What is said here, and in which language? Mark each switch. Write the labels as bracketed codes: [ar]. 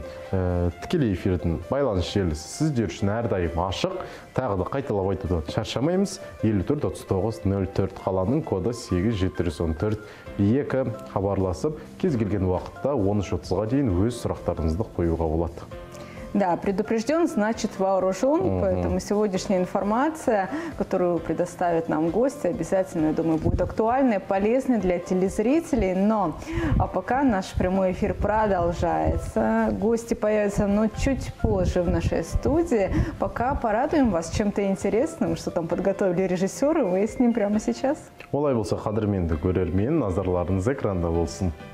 [kk] Тікелей эфирдің байланыс желісі сіздер үшін әрдайым ашық. Тағы да қайталап айтуды шаршамаймыз. 54-39-04 қаланың коды 8-714. Екі хабарласып, кез келген уақытта 13:30-ға дейін өз сұрақтарыңызды қоюға болады. [ru] Да, предупрежден, значит вооружен, поэтому сегодняшняя информация, которую предоставят нам гости, обязательно, я думаю, будет актуальной, полезной для телезрителей, но пока наш прямой эфир продолжается, гости появятся, но чуть позже в нашей студии, пока порадуем вас чем-то интересным, что там подготовили режиссеры, выясним прямо сейчас. [kk] Олай болса, қадірменді көрермен, назарларыңыз экранда болсын.